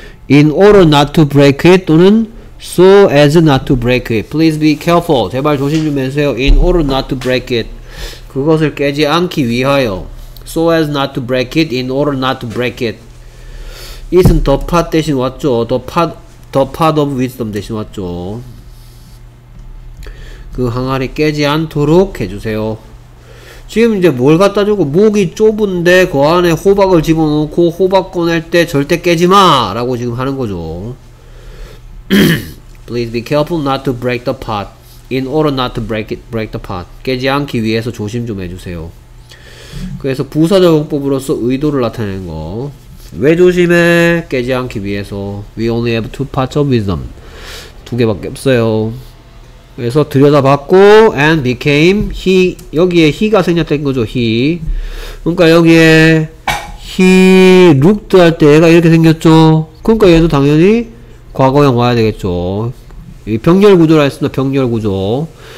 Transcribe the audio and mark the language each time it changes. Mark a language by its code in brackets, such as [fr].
[en] in order not to break it 또는 so as not to break it please be careful [ko] 제발 조심 좀 해주세요 [en] in order not to break it [ko] 그것을 깨지 않기 위하여 [en] so as not to break it in order not to break it it은 the pot 대신 왔죠 the pot of wisdom 대신 왔죠 [ko] 그 항아리 깨지 않도록 해주세요. 지금 이제 뭘 갖다 주고 목이 좁은데 그 안에 호박을 집어넣고 호박 꺼낼 때 절대 깨지 마! 라고 지금 하는 거죠. [en] Please be careful not to break the pot. In order not to break the pot. [ko] 깨지 않기 위해서 조심 좀 해주세요. 그래서 부사적용법으로서 의도를 나타내는 거. 왜 조심해? 깨지 않기 위해서. [en] We only have two pots of wisdom. [ko] 두 개밖에 없어요. 그래서 들여다봤고 [en] and became he [ko] 여기에 he가 생략된 거죠 he 그러니까 여기에 he looked 할 때 얘가 이렇게 생겼죠 그러니까 얘도 당연히 과거형 와야 되겠죠 이 병렬 구조라 했습니다 병렬 구조